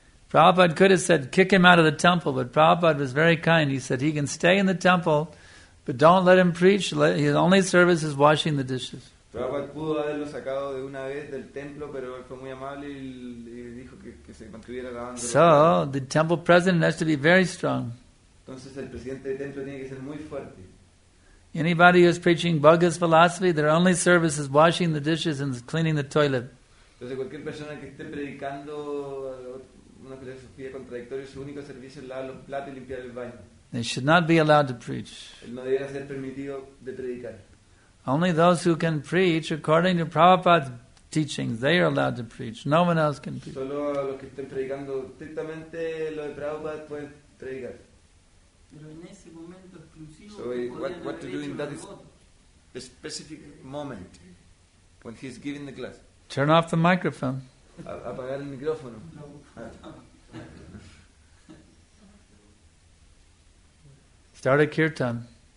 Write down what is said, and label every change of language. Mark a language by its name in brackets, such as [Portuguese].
[English] Prabhupada could have said, kick him out of the temple, but Prabhupada was very kind. He said, he can stay in the temple, but don't let him preach. His only service is washing the dishes. [Spanish] Prabhupada pudo haberlo sacado de una vez del templo, pero él fue muy amable y dijo que se mantuviera lavando. [English] So, the temple president has to be very strong. [Spanish] Entonces, el presidente del templo tiene que ser muy fuerte. [English] Anybody who is preaching Bhagavad's philosophy, their only service is washing the dishes and cleaning the toilet. [Spanish] Entonces, cualquier persona que esté predicando una filosofía contradictoria, su único servicio es lavar los platos y limpiar el baño. [English] They should not be allowed to preach. [Spanish] Él no debería ser permitido de predicar. [English] Only those who can preach according to Prabhupada's teachings, they are allowed to preach. No one else can preach. [Spanish] Solo los que estén predicando estrictamente lo de Prabhupada pueden predicar. Pero en ese momento exclusivo. [English] So what to do in that specific moment when he's giving the class? Turn off the microphone. [Spanish] Apagar el micrófono. [English] Start a kirtan.